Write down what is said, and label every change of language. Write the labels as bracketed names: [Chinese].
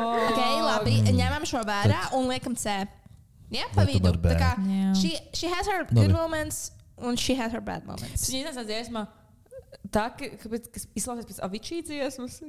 [Latvian] Ok, labi, ņemam šo vērā un liekam C. Jā, pa vidu. Tā kā, [English] she has her good moments, and she has her bad moments. [Latvian] Viņa tās dziesma, Tā, kas izklausās pēc Avicii dziesmas.